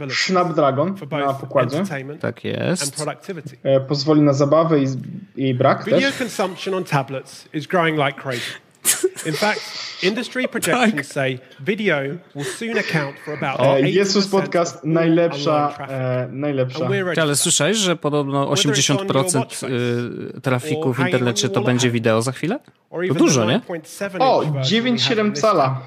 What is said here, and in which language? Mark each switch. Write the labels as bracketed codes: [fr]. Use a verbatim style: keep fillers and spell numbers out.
[pl] Snapdragon na pokładzie. Tak jest. E, pozwoli na zabawę i, i brak też. [en] Video consumption on tablets is growing like crazy. In fact, industry projections say video will soon account for about eighty percent. [pl] Jesus Podcast, najlepsza, e, najlepsza. Ale słyszałeś, że podobno osiemdziesiąt procent trafiku w internecie to będzie wideo za chwilę? To dużo, nie? O, dziewięć przecinek siedem cala.